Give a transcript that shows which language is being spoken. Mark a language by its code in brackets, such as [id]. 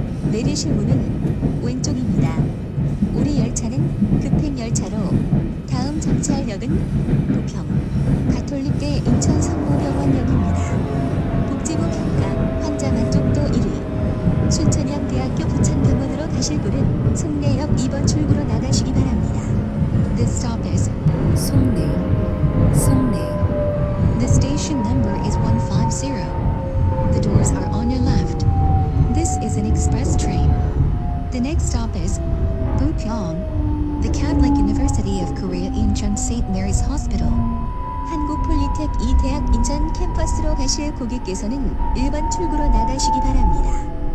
[ko] 내리실 문은 왼쪽입니다. 우리 열차는 급행 열차로 다음 정차역은 부평 가톨릭대 인천성모병원역입니다. 복지부 평가 환자 만족도 1위. 순천향대학교 부천병원으로 가실 분은 송내역 2번 출구로 나가시기 바랍니다. [en] The stop is 송내. 송내. The station number is 150. The doors are on your left. This is an express train. The next stop is Bupyeong, the Catholic University of Korea Incheon St. Mary's Hospital. [ko] 한국폴리텍 이대학 인천 캠퍼스로 가실 고객께서는 1번 출구로 나가시기 바랍니다.